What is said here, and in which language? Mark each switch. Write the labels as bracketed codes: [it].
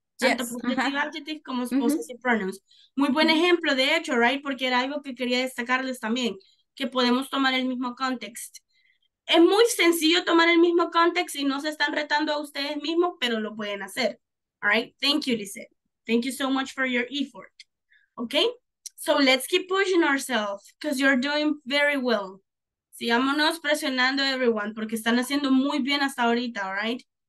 [es] Tanto possessive adjectives como possessive pronouns. Muy buen ejemplo, de hecho, right? Porque era algo que quería destacarles también, que podemos tomar el mismo contexto. Es muy sencillo tomar el mismo contexto y no se están retando a ustedes mismos, pero lo pueden hacer. [en] All right? Thank you, Lizeth. Thank you so much for your effort. Okay? So let's keep pushing ourselves because you're doing very well. [es] Sigámonos presionando, everyone, porque están haciendo muy bien hasta ahorita, [en] all right?